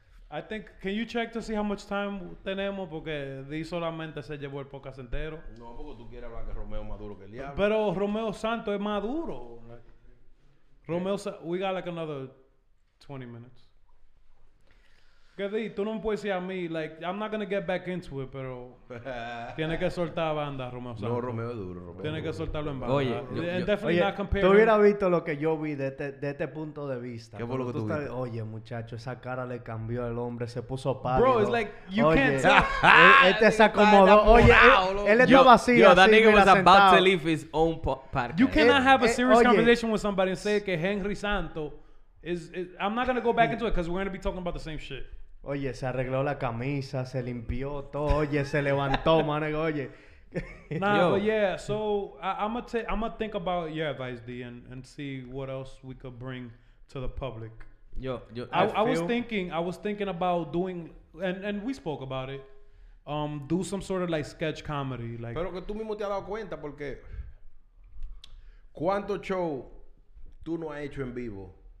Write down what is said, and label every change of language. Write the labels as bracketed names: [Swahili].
[English] I think, can you check to see how much time tenemos? [Spanish] Porque de solamente se llevó el podcast entero. No, porque tú quieres hablar que Romeo es más duro que el diablo. Pero Romeo Santos es más duro. Romeo, [English] we got like another 20 minutes. [Spanish] ¿Qué di? Tú no me puedes decir a mí, [English] like, I'm not going to get back into it, [Spanish] pero tiene que soltar a banda, Romeo Santos. No, Romeo es duro, Romeo. Tiene que soltarlo en banda. Oye, [English] definitely not compared. [Spanish] Tú hubieras visto lo que yo vi de este punto de vista. ¿Qué fue lo que tú viste? Oye, muchacho, esa cara le cambió al hombre, se puso pálido. [English] Bro, it's like, you [Spanish] oye, [English] can't [Spanish] este se acomodó. Oye, él está vacío. [English] Yo, that nigga was about to leave his own podcast. You cannot have a serious conversation with somebody and say que Henry Santos is I'm not going to go back into it because we're going to be talking about the same shit. [Spanish] Oye, se arregló la camisa, se limpió todo. Oye, se levantó, man. Oye. [English] Nah, yo. But yeah, so I'm going to think about your advice, D, and see what else we could bring to the public. Yo, I was thinking about doing, and we spoke about it, do some sort of like sketch comedy. Like. [Spanish] Pero que tú mismo te has dado cuenta, porque ¿cuánto show tú no has hecho en vivo?